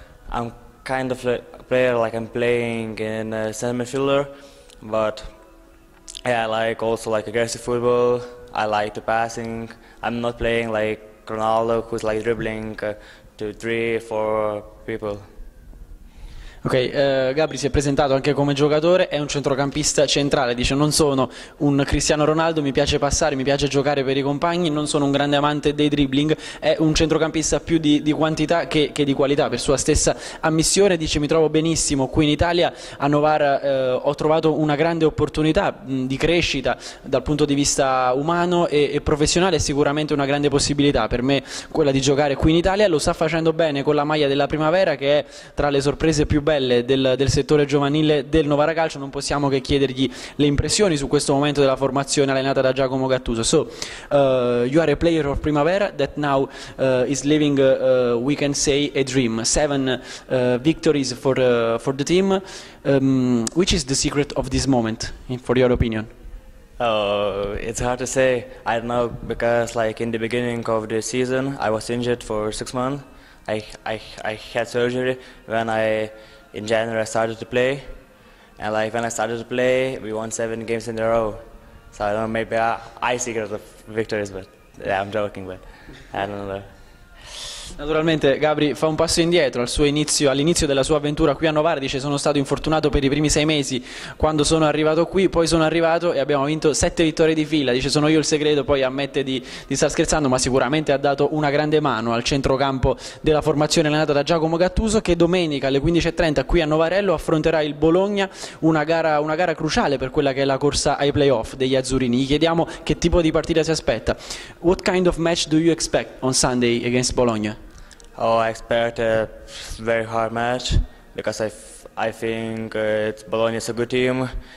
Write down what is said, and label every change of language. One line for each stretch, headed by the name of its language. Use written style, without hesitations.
English: I'm kind of a player, like, I'm playing in center midfielder, but yeah, I like also, like, aggressive football. I like the passing. I'm not playing like Ronaldo, who's like dribbling to 3-4 people.
Italian: Ok, Gabri si è presentato anche come giocatore, è un centrocampista centrale, dice: non sono un Cristiano Ronaldo, mi piace passare, mi piace giocare per i compagni, non sono un grande amante dei dribbling, è un centrocampista più di quantità che di qualità. Per sua stessa ammissione dice: mi trovo benissimo qui in Italia, a Novara ho trovato una grande opportunità di crescita dal punto di vista umano e professionale, è sicuramente una grande possibilità per me quella di giocare qui in Italia, lo sta facendo bene con la maglia della Primavera, che è tra le sorprese più belle del settore giovanile del Novara Calcio. Non possiamo che chiedergli le impressioni su questo momento della formazione allenata da Giacomo Gattuso.
English: So, you are a player of Primavera that now is living, we can say, a dream. 7 victories for the team. Which is the secret of this moment, for your opinion? Oh, it's hard to say. I don't know, because, like, in the beginning of the season I was injured for 6 months. I had surgery when in January I started to play, and like when I started to play we won 7 games in a row, so I don't know, maybe I secret the victories, but yeah, I'm joking, but I don't know.
Italian: Naturalmente Gabri fa un passo indietro all'inizio della sua avventura qui a Novara, dice: sono stato infortunato per i primi 6 mesi quando sono arrivato qui, poi sono arrivato e abbiamo vinto 7 vittorie di fila, dice: sono io il segreto. Poi ammette di star scherzando, ma sicuramente ha dato una grande mano al centrocampo della formazione allenata da Giacomo Gattuso, che domenica alle 15:30 qui a Novarello affronterà il Bologna, una gara cruciale per quella che è la corsa ai playoff degli azzurrini. Gli chiediamo che tipo di partita si aspetta.
English: What kind of match do you expect on Sunday against Bologna? Oh, I expect a very hard match, because I think Bologna is a good team.